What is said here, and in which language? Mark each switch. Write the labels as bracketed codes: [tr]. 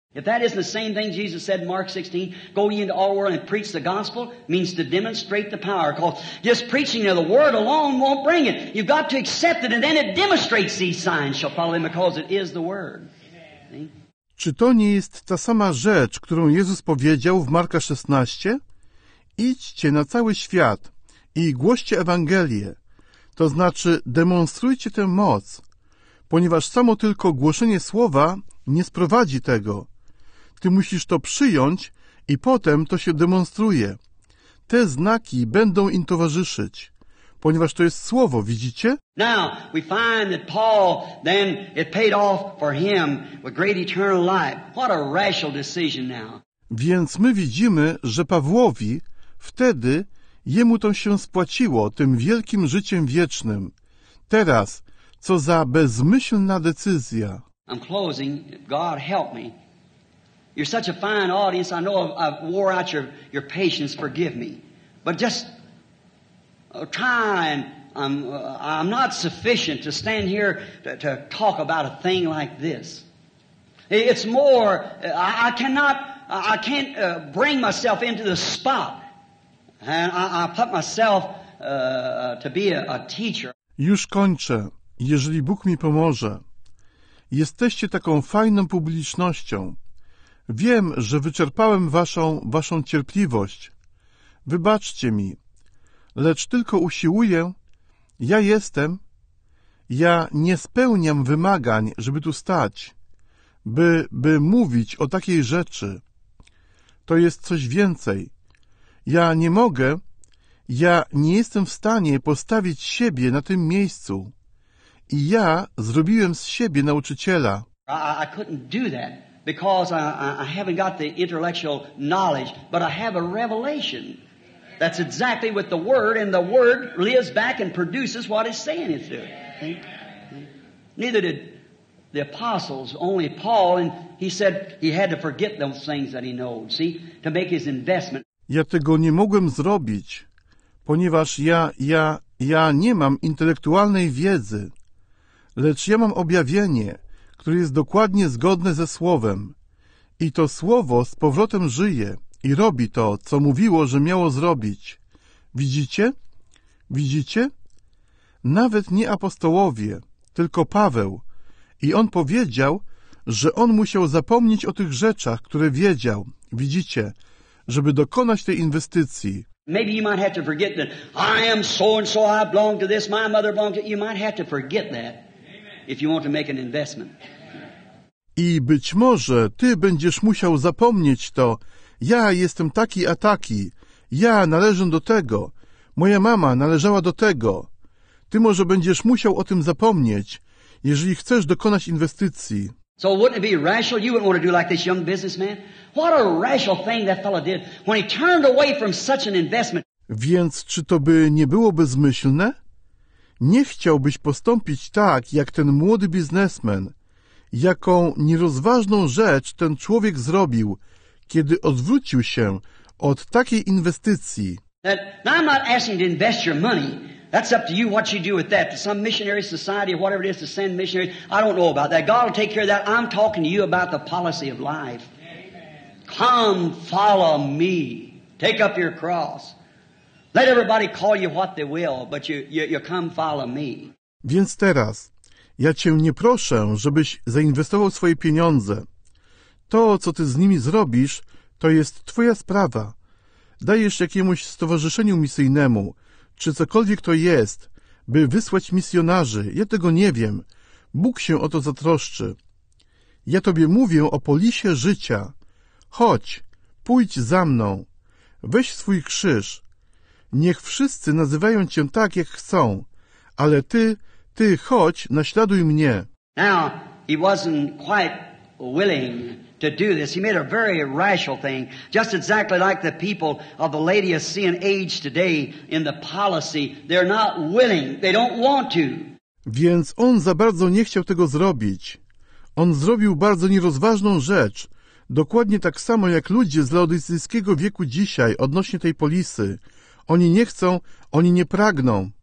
[en] If that isn't the same thing Jesus said in Mark 16, go ye into all the world and preach the gospel, means to demonstrate the power. Because just preaching of the word alone won't bring it. You've got to accept it, and then it demonstrates these signs shall follow them because it is the word. Amen. See? [pl] Czy to nie jest ta sama rzecz, którą Jezus powiedział w Marka 16? Idźcie na cały świat i głoście Ewangelię, to znaczy demonstrujcie tę moc, ponieważ samo tylko głoszenie słowa nie sprowadzi tego. Ty musisz to przyjąć i potem to się demonstruje. Te znaki będą im towarzyszyć, ponieważ to jest słowo, widzicie? [en] Now we find that Paul then it paid off for him with great eternal life. What a rational decision now. [pl] Więc my widzimy, że Pawłowi wtedy jemu to się spłaciło tym wielkim życiem wiecznym. Teraz co za bezmyślna decyzja. [en] I'm closing. God help me. You're such a fine audience. I know I've wore out your patience. Forgive me. But just try and I'm not sufficient to stand here to talk about a thing like this. It's more, I can't bring myself into the spot. And I put myself to be a teacher. [pl] Już kończę, jeżeli Bóg mi pomoże. Jesteście taką fajną publicznością. Wiem, że wyczerpałem waszą cierpliwość. Wybaczcie mi. Lecz tylko usiłuję. Ja jestem. Ja nie spełniam wymagań, żeby tu stać, by mówić o takiej rzeczy. To jest coś więcej. Ja nie mogę. Ja nie jestem w stanie postawić siebie na tym miejscu. I ja zrobiłem z siebie nauczyciela. [en] I couldn't do that. Because I haven't got the intellectual knowledge, but I have a revelation. That's exactly with the Word, and the Word lives back and produces what it's saying it's doing. Neither did the apostles, only Paul, and he said he had to forget those things that he knows, see, to make his investment. [pl] Ja tego nie mogłem zrobić, ponieważ ja nie mam intelektualnej wiedzy, lecz ja mam objawienie, które jest dokładnie zgodne ze Słowem. I to Słowo z powrotem żyje i robi to, co mówiło, że miało zrobić. Widzicie? Widzicie? Nawet nie apostołowie, tylko Paweł. I on powiedział, że on musiał zapomnieć o tych rzeczach, które wiedział, widzicie, żeby dokonać tej inwestycji. [en] Maybe you might have to forget that I am so and so, I belong to this, my mother belongs to this. You might have to forget that. If you want to make an investment. [pl] I być może ty będziesz musiał zapomnieć to. Ja jestem taki a taki. Ja należę do tego. Moja mama należała do tego. Ty może będziesz musiał o tym zapomnieć, jeżeli chcesz dokonać inwestycji. [en] So wouldn't it be rational? You wouldn't want to do like this young businessman? What a rational thing that fellow did when he turned away from such an investment. [pl] Więc czy to by nie było bezmyślne? Nie chciałbyś postąpić tak, jak ten młody biznesmen. Jaką nierozważną rzecz ten człowiek zrobił, kiedy odwrócił się od takiej inwestycji. [en] Now I'm not asking to invest your money. That's up to you what you do with that. To some missionary society or whatever it is to send missionaries. I don't know about that. God will take care of that. I'm talking to you about the policy of life. Come, follow me. Take up your cross. Let everybody call you what they will, but you come follow me. [pl] Więc teraz, ja cię nie proszę, żebyś zainwestował swoje pieniądze. To, co ty z nimi zrobisz, to jest twoja sprawa. Dajesz jakiemuś stowarzyszeniu misyjnemu, czy cokolwiek to jest, by wysłać misjonarzy. Ja tego nie wiem. Bóg się o to zatroszczy. Ja tobie mówię o polisie życia. Chodź, pójdź za mną. Weź swój krzyż. Niech wszyscy nazywają cię tak, jak chcą, ale ty chodź, naśladuj mnie. [en] Now, he wasn't quite willing to do this. He made a very rational thing, just exactly like the people of the Laodicean age today in the policy. They're not willing, they don't want to. [pl] Więc on za bardzo nie chciał tego zrobić. On zrobił bardzo nierozważną rzecz, dokładnie tak samo jak ludzie z laodicyjskiego wieku dzisiaj odnośnie tej polisy. Oni nie chcą, oni nie pragną.